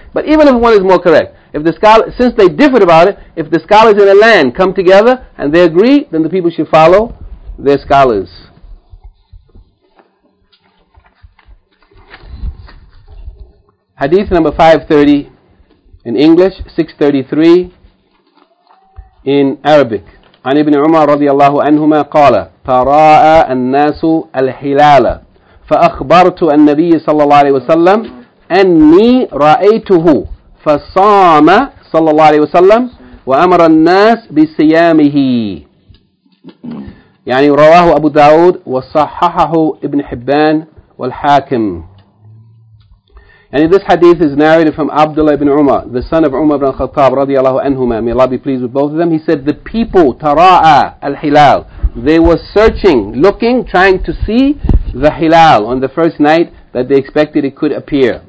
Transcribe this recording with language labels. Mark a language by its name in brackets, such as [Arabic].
[English] But even if one is more correct, if the scholar, since they differed about it, if the scholars in a land come together and they agree, then the people should follow their scholars. Hadith number 530 in English, 633 in Arabic. [Arabic] عن ابن عمر رضي الله عنهما قال تراءى الناس الهلال فأخبرت النبي صلى الله عليه وسلم أني رأيته فصام صلى الله عليه وسلم وأمر الناس بصيامه. يعني رواه أبو داود وصححه ابن حبان والحاكم. [English] يعني this hadith is narrated from Abdullah ibn Umar, the son of Umar ibn Khattab [Arabic] رضي الله عنهما, [English] may Allah be pleased with both of them. He said the people tara'a al-hilal, they were searching, looking, trying to see the hilal on the first night that they expected it could appear.